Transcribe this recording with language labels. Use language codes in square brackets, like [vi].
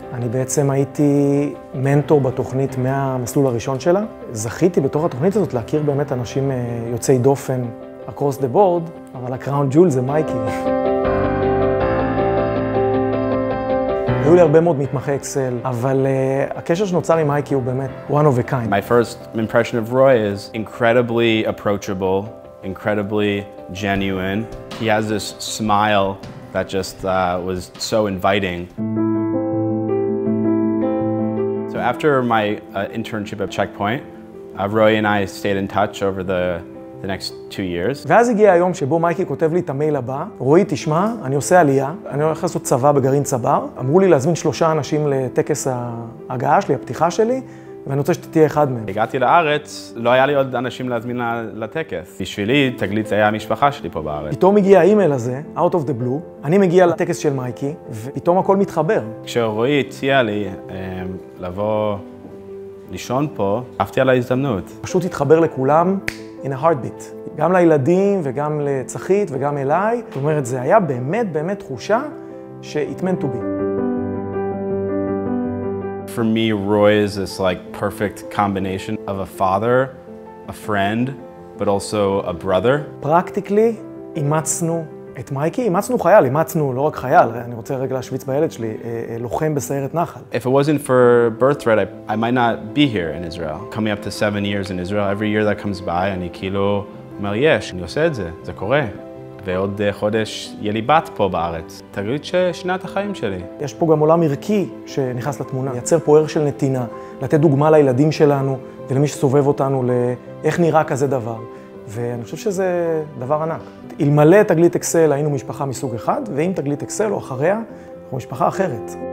[he] אני בעצם הייתי מנטור בתוכנית מהמסלול הראשון שלה. זכיתי בתוך התוכנית הזאת להכיר באמת אנשים יוצאי דופן [en] across the board, [he] אבל הקראון ג'ול זה מייקי. היו לי הרבה מאוד מתמחי אקסל, אבל הקשר שנוצר עם מייקי הוא באמת [en] one of a kind. My first impression of Roy is incredibly approachable, incredibly genuine. He has this smile that just was so inviting. So after my internship at Checkpoint, Roy and I stayed in touch over the next 2 years. [he] ואז הגיע היום שבו מייקי כותב לי את המייל הבא. רואי, תשמע, אני עושה עלייה, אני הולך לעשות צבא בגרעין צבר. אמרו לי להזמין 3 אנשים לטקס ההגעה שלי, הפתיחה שלי, ואני רוצה שתהיה אחד מהם. הגעתי לארץ, לא היה לי עוד אנשים להזמין לטקס. בשבילי, תגלית זה היה המשפחה שלי פה בארץ. פתאום הגיע האימייל הזה, [en] out of the blue, [he] אני מגיע לטקס של מייקי, ופתאום הכל מתחבר. כשרואי הציע לי לבוא לישון פה, עפתי על ההזדמנות. פשוט התחבר לכולם. [en] In a heartbeat. [he] גם לילדים וגם לצחית וגם אליי. זאת אומרת, זה היה באמת באמת תחושה ש- [en] it meant to be. For me, Roy is this like perfect combination of a father, a friend, but also a brother. Practically, [he] אימצנו את מייקי, אימצנו חייל, אימצנו לא רק חייל, אני רוצה רגע להשוויץ בילד שלי, לוחם בסיירת נחל. [en] If it wasn't for Birthright, I might not be here in Israel. Coming up to 7 years in Israel, every year that comes by, [he] אני כאילו אומר, יש, אני עושה את זה, זה קורה. ועוד חודש יהיה לי בת פה בארץ. תגלית ששינה את החיים שלי. יש פה גם עולם ערכי שנכנס לתמונה. לייצר פה ערך של נתינה, לתת דוגמה לילדים שלנו ולמי שסובב אותנו לאיך נראה כזה דבר. ואני חושב שזה דבר ענק. אלמלא תגלית אקסל היינו משפחה מסוג אחד, ואם תגלית אקסל או אחריה, אנחנו משפחה אחרת.